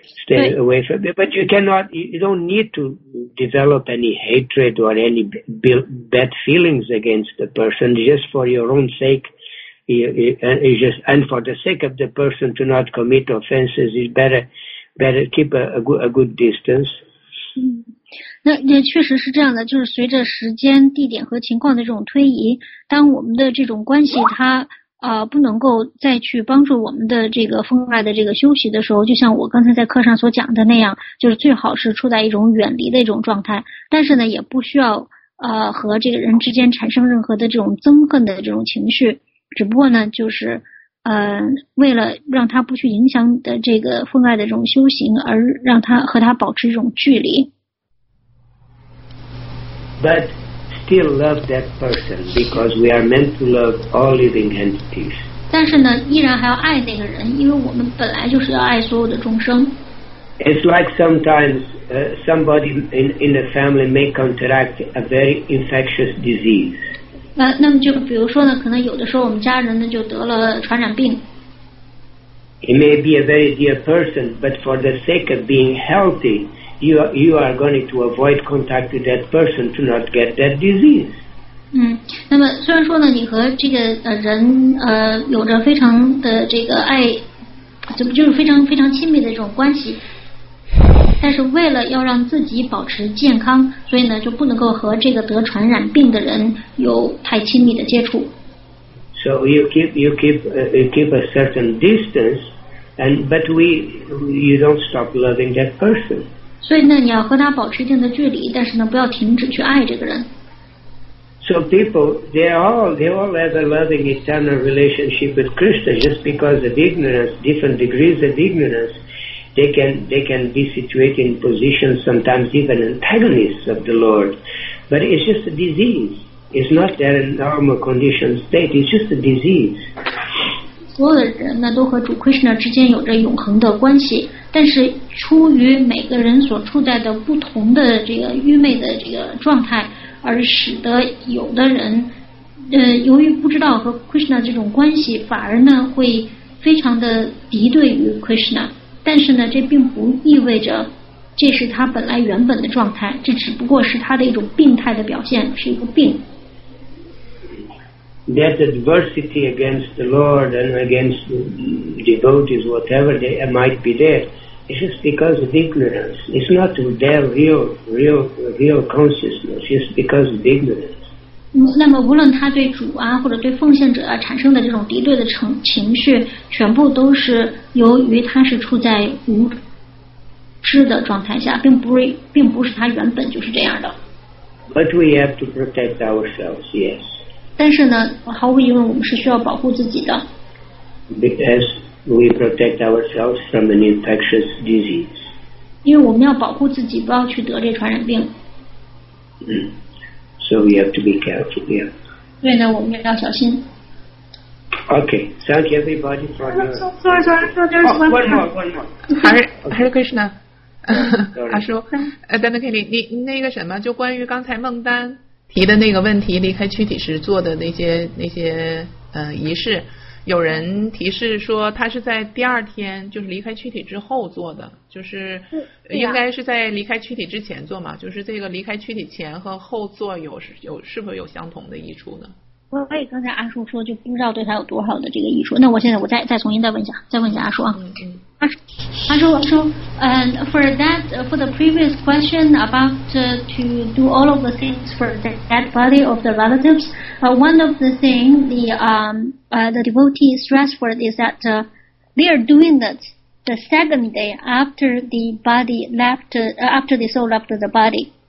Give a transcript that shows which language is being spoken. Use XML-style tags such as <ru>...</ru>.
<en>But you don't need to develop any hatred or any bad feelings against the person just for your own sake. And for the sake of the person to not commit offenses, it's better keep a good distance.</en> <zh>那也确实是这样的，就是随着时间、地点和情况的这种推移，当我们的这种关系它不能够再去帮助我们的这个风爱的这个休息的时候，就像我刚才在课上所讲的那样，就是最好是处在一种远离的一种状态，但是呢，也不需要和这个人之间产生任何的这种憎恨的这种情绪。只不过呢，就是为了让他不去影响的这个分外的这种修行，而让他和他保持一种距离。</zh> <en>But still love that person because we are meant to love all living entities.</en> <zh>但是呢，依然还要爱那个人，因为我们本来就是要爱所有的众生。</zh> <en>It's like sometimes somebody in the family may contract a very infectious disease.</en> <zh>那么就比如说呢，可能有的时候我们家人呢就得了传染病。</zh> <en>It may be a very dear person, but for the sake of being healthy, you are going to avoid contact with that person to not get that disease.</en> <zh>那么虽然说呢，你和这个人有着非常的这个爱，怎么就是非常非常亲密的这种关系，但是为了要让自己保持健康，所以呢就不能够和这个得传染病的人有太亲密的接触。</zh> <en>So you keep a certain distance, and but you don't stop loving that person.</en> <zh>所以呢你要和他保持一定的距离，但是呢不要停止去爱这个人。</zh> <en>So people they all have a loving eternal relationship with Krishna just because of ignorance, different degrees of ignorance. They can be situated in positions sometimes even antagonists of the Lord, but it's just a disease. It's not their normal condition state. It's just a disease.</en> <zh>所有的人呢都和主 Krishna 之间有着永恒的关系，但是出于每个人所处在的不同的这个愚昧的这个状态，而使得有的人，由于不知道和 Krishna 这种关系，反而呢会非常的敌对于 Krishna。但是呢，这并不意味着这是他本来原本的状态，这只不过是他的一种病态的表现，是一个病。</zh> <en>That adversity against the Lord and against devotees, whatever they might be there, it's just because of ignorance. It's not their real consciousness. It's just because of ignorance.</en> <zh>那么无论他对主啊或者对奉献者啊产生的这种敌对的情绪全部都是由于他是处在无知的状态下，并不是他原本就是这样的。</zh> <en>But we have to protect ourselves, yes.</en> <zh>但是呢毫无疑问我们是需要保护自己的。</zh> <en>Because we protect ourselves from an infectious disease.</en> <zh>因为我们要保护自己不要去得这传染病。</zh> <en>So we have to be careful, yeah.</en> <zh>对呢，我们要小心。</zh> <en>Okay, thank you everybody for your... Sorry, there's one more. One more. Hare Krishna.</en> <zh>阿叔，丹丹凯丽，你那个什么，就关于刚才孟丹提的那个问题，离开躯体时做的那些仪式，有人提示说他是在第二天，就是离开躯体之后做的，就是应该是在离开躯体之前做嘛，就是这个离开躯体前和后做是否有相同的益处呢？我也刚才阿叔说，就不知道对他有多好的这个益处。那我现在我再重新问一下阿叔啊。嗯嗯。</zh> <en>阿叔，for the previous question about to do all of the things for the dead body of the relatives, one of the things the devotee stressed for is that they are doing that the second day after the body left, after the soul left the body.</en>